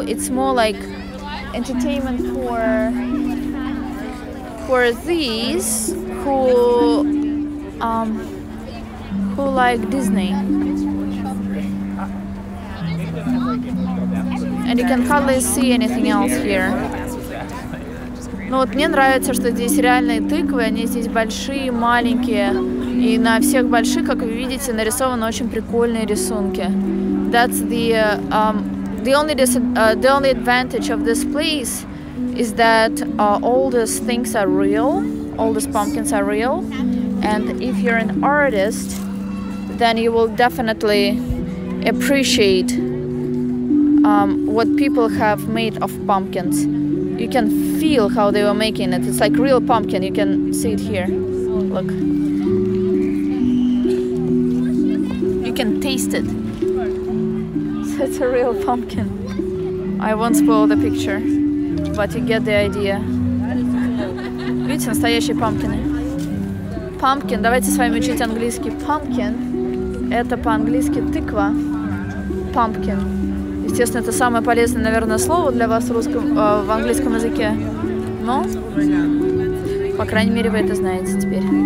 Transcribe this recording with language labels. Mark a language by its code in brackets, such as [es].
[en] It's more like entertainment for these who like Disney. And you can hardly see anything else here. [ru] Ну вот мне нравится, что здесь реальные тыквы, они здесь большие, маленькие. И на всех больших, как вы видите, нарисованы очень прикольные рисунки. [en] That's the only advantage of this place is that all these things are real, all these pumpkins are real. And if you're an artist, then you will definitely appreciate what people have made of pumpkins. You can feel how they were making it. It's like real pumpkin. You can see it here. Look. You can taste it. It's a real pumpkin. I won't spoil the picture, but you get the idea. [ru] Видите, настоящий pumpkin. Pumpkin. Давайте с вами учить английский. Pumpkin. Это по-английски тыква. Pumpkin. Естественно, это самое полезное, наверное, слово для вас в английском языке. Но, по крайней мере, вы это знаете теперь.